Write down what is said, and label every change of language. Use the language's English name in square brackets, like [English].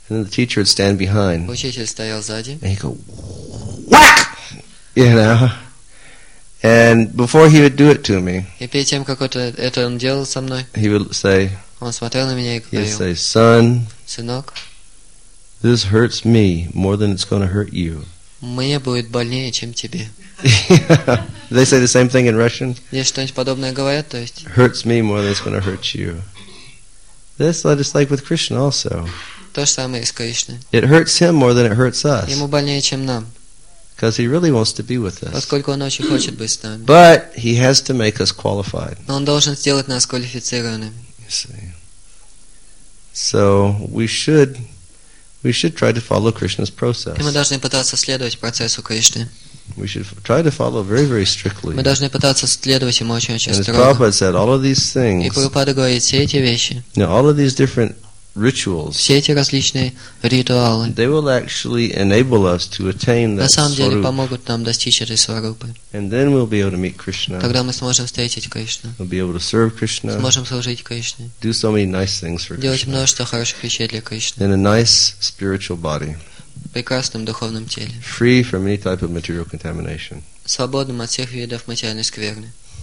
[English] And then the teacher would stand behind. [Russian] Учитель стоял сзади. [English] And he'd go, whack! You know. And before he would do it to me, [Russian] и перед тем, как это он делал со мной, [English] he would say, [Russian] он смотрел на меня и говорил, [English] he'd say, "Son, [Russian] сынок, [English] this hurts me more than it's going to hurt you." [Russian] Мне будет больнее, чем тебе. [English] They say the same thing in Russian. [Russian] Есть что-нибудь подобное говорят, то есть. [English] Hurts me more than it's going to hurt you. This is just like with Krishna also. [Russian] То же самое и с Кришной. [English] It hurts him more than it hurts us. [Russian] Ему больнее, чем нам. [English] Because he really wants to be with us. [Russian] Поскольку он очень хочет быть с нами. [English] But he has to make us qualified. [Russian] Но он должен сделать нас квалифицированными. [English] You see. So we should try to follow Krishna's process. [Russian] И мы должны пытаться следовать процессу Кришны. [English] We should try to follow very, very strictly. [Russian] Мы должны пытаться следовать ему очень-очень [English] and [Russian] строго. [English] And Prabhupada said all of these things. [Russian] И Прабхупада говорит все эти вещи. [English] Now all of these different rituals. [Russian] Все эти различные ритуалы. [English] They will actually enable us to attain that. [Russian] На самом деле помогут нам достичь этой сварупы. [English] And then we'll be able to meet Krishna. [Russian] Тогда мы сможем встретить Кришну. [English] We'll be able to serve Krishna. [Russian] Сможем служить Кришне. [English] Do so many nice things for Krishna. [Russian] Делать множество хороших вещей для Кришны. [English] In a nice spiritual body. [Russian] В прекрасном духовном теле. [English] Free from any type of material contamination. [Russian] Свободным от всех видов материальной скверны.